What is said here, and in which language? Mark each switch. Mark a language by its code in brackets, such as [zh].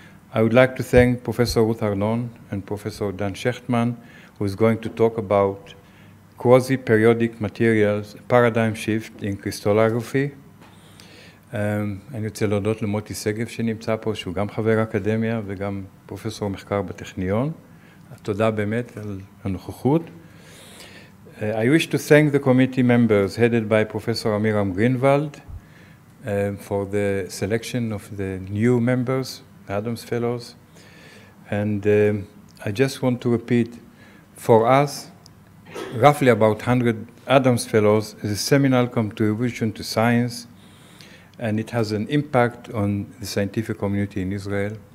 [en] I would like to thank Professor Ruth Arnon and Professor Dan Schechtman, who is going to talk about quasi-periodic materials, a paradigm shift in crystallography. [he] אני רוצה להודות למוטי סגב שנמצא פה, שהוא גם חבר אקדמיה וגם פרופסור מחקר בטכניון. תודה באמת על הנוכחות. [en] I wish to thank the committee members headed by Professor Amiram Greenwald for the selection of the new members. Adams Fellows, and I just want to repeat, for us, roughly about 100 Adams Fellows is a seminal contribution to science, and it has an impact on the scientific community in Israel.